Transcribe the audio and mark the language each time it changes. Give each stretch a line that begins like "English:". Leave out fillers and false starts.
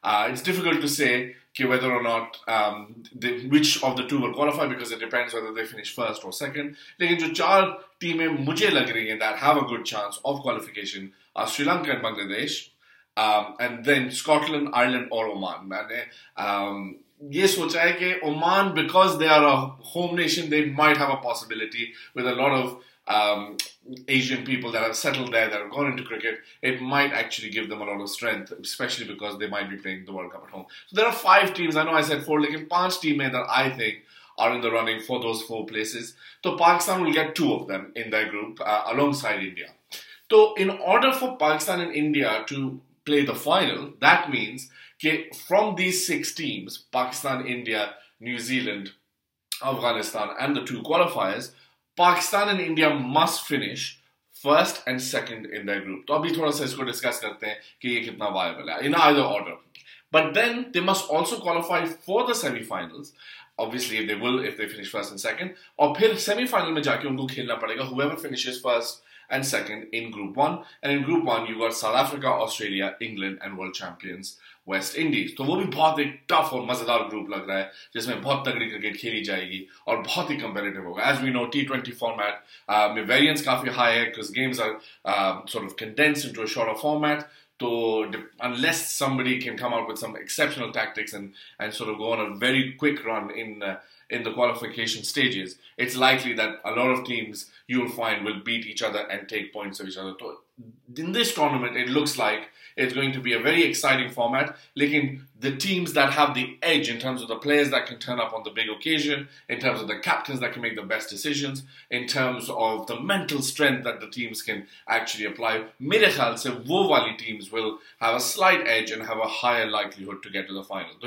English: It's difficult to say कि whether or not which of the two will qualify because it depends whether they finish first or second.
Hindi: लेकिन जो चार टीमें मुझे लग रही हैं
English: That have a good chance of qualification are Sri Lanka and Bangladesh and then Scotland Ireland और Oman.
Hindi: मैंने ये सोचा है कि
English: Oman because they are a home nation they might have a possibility with a lot of Asian people that have settled there, that have gone into cricket, it might actually give them a lot of strength, especially because they might be playing the World Cup at home. So there are five teams. I know I said four, like in five teams that I think are in the running for those four places. So Pakistan will get two of them in their group alongside India. So in order for Pakistan and India to play the final, that means that from these six teams, Pakistan, India, New Zealand, Afghanistan, and the two qualifiers, Pakistan and India must finish first and second in that group.
Hindi: तो अभी थोड़ा सा इसको discuss करते हैं कि ये कितना वायबल है इन आदर order.
English: But then they must also qualify for the semifinals obviously they will if they finish first and second.
Hindi: और फिर सेमीफाइनल में जाके उनको खेलना पड़ेगा
English: Whoever finishes first and second in group one. And in group one you got South Africa Australia England and world champions West Indies.
Hindi: तो वो भी बहुत ही टफ और मजेदार ग्रुप लग रहा है जिसमें बहुत तगड़ी क्रिकेट खेली जाएगी और बहुत ही कंपेटिटिव होगा।
English: As we know T20 format में variance काफी high है because games are sort of condensed into a shorter format. तो unless somebody can come out with some exceptional tactics and sort of go on a very quick run in the qualification stages it's likely that a lot of teams you will find will beat each other and take points off each other. तो in this tournament it looks like it's going to be a very exciting format. Lekin the teams that have the edge in terms of the players that can turn up on the big occasion, in terms of the captains that can make the best decisions, in terms of the mental strength that the teams can actually apply,
Hindi: mere khayal se wo wali
English: teams will have a slight edge and have a higher likelihood to get to the final.